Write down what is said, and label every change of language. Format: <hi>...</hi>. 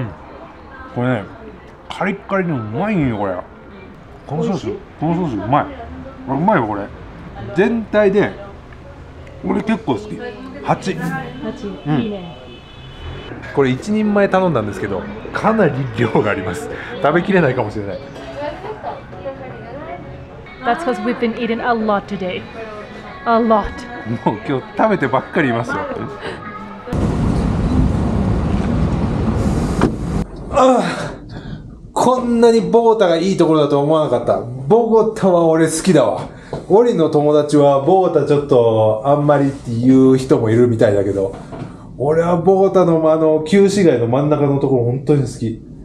<ja>うん、これね、カリッカリでうまいよ、これ。このソース、このソースうまい。うまいよこれ。全体で俺結構好き。 8、うん、いいね。これ1人前頼んだんですけど、かなり量があります。食べきれないかもしれない。</ja> <en>That's because we've been eating a lot today. A lot.</en> <ja>もう今日食べてばっかりいますよ。こんなにボゴタがいいところだと思わなかった。ボゴタは俺好きだわ。オリの友達はボゴタちょっとあんまりっていう人もいるみたいだけど、俺はボゴタのあの旧市街の真ん中のところ本当に好き。</ja>